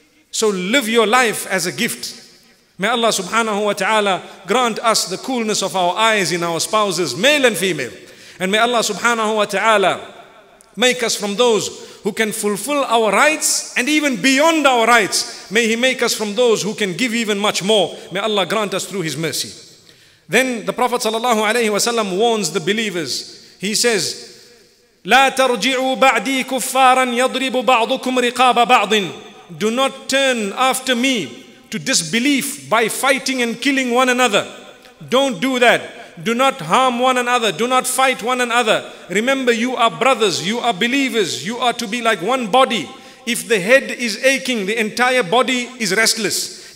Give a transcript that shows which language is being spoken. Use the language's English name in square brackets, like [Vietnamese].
[English] So live your life as a gift. May Allah subhanahu wa ta'ala grant us the coolness of our eyes in our spouses, male and female. And may Allah subhanahu wa ta'ala make us from those who can fulfill our rights and even beyond our rights. May He make us from those who can give even much more. May Allah grant us through His mercy. Then the Prophet sallallahu alayhi wa sallam warns the believers. He says, [Arabic] لا ترجعوا بعدي كفارا يضرب بعضكم رقاب بعض. [English] Do not turn after me to disbelief by fighting and killing one another. Don't do that. Do not harm one another. Do not fight one another. Remember, you are brothers. You are believers. You are to be like one body. If the head is aching, the entire body is restless.